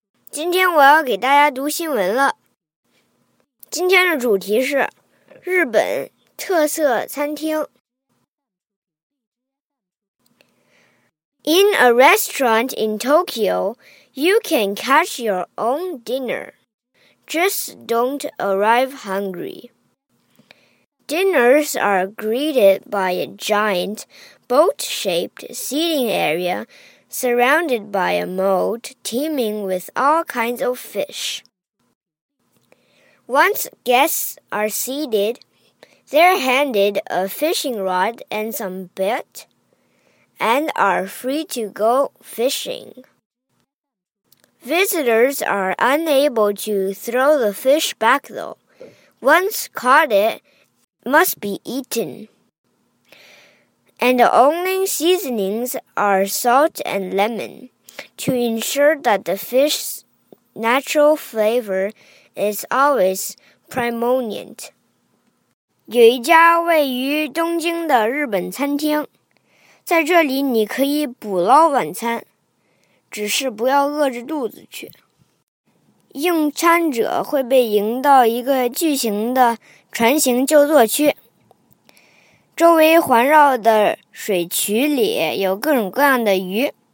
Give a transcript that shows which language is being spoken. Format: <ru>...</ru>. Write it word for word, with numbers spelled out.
<zh>今天我要给大家读新闻了。今天的主题是日本特色餐厅。</zh> <en>In a restaurant in Tokyo, you can catch your own dinner. Just don't arrive hungry. Dinners are greeted by a giant, boat-shaped seating area surrounded by a moat teeming with all kinds of fish. Once guests are seated, they're handed a fishing rod and some bait, and are free to go fishing. Visitors are unable to throw the fish back, though. Once caught, it must be eaten. And the only seasonings are salt and lemon, to ensure that the fish's natural flavor is always predominant.</en> <zh>有一家位于东京的日本餐厅，在这里你可以捕捞晚餐，只是不要饿着肚子去。用餐者会被迎到一个巨型的船型就座区，周围环绕的水渠里有各种各样的鱼。</zh>